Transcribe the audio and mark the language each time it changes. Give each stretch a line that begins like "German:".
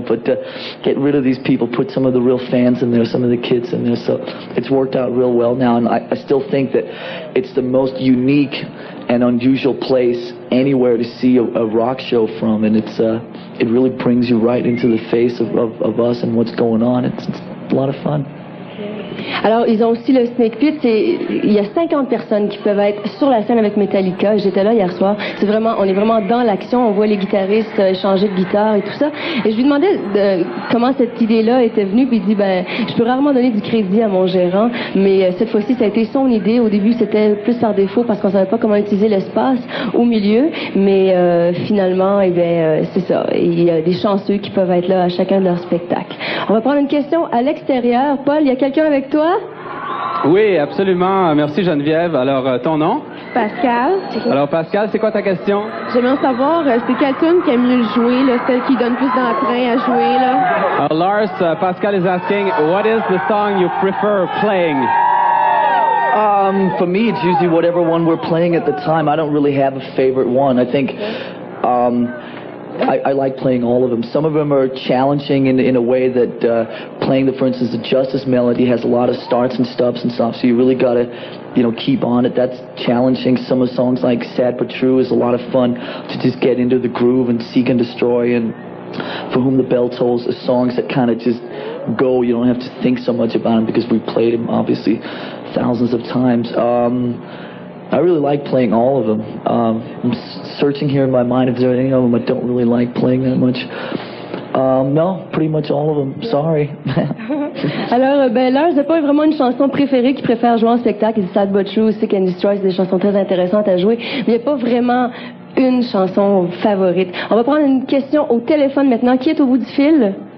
English: But to get rid of these people, put some of the real fans in there, some of the kids in there, so it's worked out real well now. And I still think that it's the most unique and unusual place anywhere to see a rock show from, and it's it really brings you right into the face of us and what's going on. It's a lot of fun.
French: Alors, ils ont aussi le Snake Pit. Il y a 50 personnes qui peuvent être sur la scène avec Metallica. J'étais là hier soir. On est vraiment dans l'action. On voit les guitaristes changer de guitare et tout ça. Et je lui demandais comment cette idée-là était venue. Puis il dit, ben, je peux rarement donner du crédit à mon gérant, mais cette fois-ci, ça a été son idée. Au début, c'était plus par défaut parce qu'on savait pas comment utiliser l'espace au milieu. Mais finalement, eh ben, c'est ça. Il y a des chanceux qui peuvent être là à chacun de leurs spectacles. On va prendre une question à l'extérieur. Paul, il y a quelqu'un avec toi? Oui, absolument. Merci Geneviève. Alors, ton nom? Pascal. Alors Pascal, c'est quoi ta question? J'aimerais savoir, c'est quelle tune qui aime mieux jouer, là, celle qui donne plus d'entrain à jouer là.
English: Lars, Pascal is asking, what is the song you prefer playing? For me, it's usually whatever one we're playing at the time. I don't really have a favorite one. I think I like playing all of them. Some of them are challenging in a way that playing, the, for instance, the Justice melody has a lot of starts and stops and stuff, so you really got to, you know, keep on it. That's challenging. Some of the songs like Sad But True is a lot of fun to just get into the groove and Seek and Destroy, and For Whom the Bell Tolls are songs that kind of just go. You don't have to think so much about them because we've played them, obviously, thousands of times. I really like playing all of them. I'm searching here in my mind if there are any of them I don't really like playing that much. No, pretty much all of them. Sorry.
French: Alors, ben, Lars n'a pas vraiment une chanson préférée qu'il préfère jouer en spectacle. C'est Sad But True, Seek and Destroy, c'est des chansons très intéressantes à jouer. Mais il n'y a pas vraiment une chanson favorite. On va prendre une question au téléphone maintenant. Qui est au bout du fil?